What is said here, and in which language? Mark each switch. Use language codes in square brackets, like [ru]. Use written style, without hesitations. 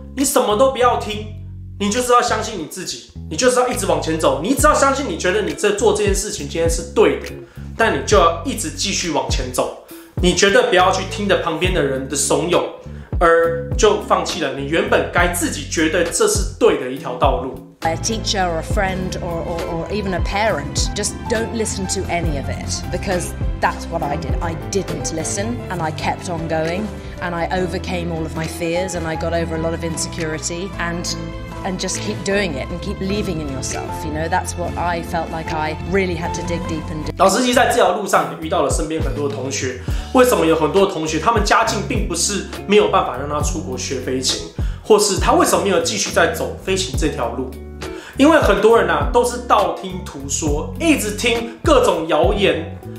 [zh] 你什么都不要听，你就是要相信你自己，你就是要一直往前走，你只要相信你觉得你在做这件事情今天是对的，但你就要一直继续往前走，你绝对不要去听着旁边的人的怂恿而就放弃了你原本该自己觉得这是对的一条道路。 [en] A teacher or a friend or even a parent, just don't listen to any of it, because that's what I did. I didn't listen and I kept on goingAnd I overcame all of my fears, and I got over a lot of insecurity, and just keep doing it, and keep believing in yourself. You know, that's what I felt like I really had to dig deep and do. [zh] 老司机在这条路上也遇到了身边很多的同学。为什么有很多同学，他们家境并不是没有办法让他出国学飞行，或是他为什么没有继续在走飞行这条路？因为很多人呐、啊，都是道听途说，一直听各种谣言。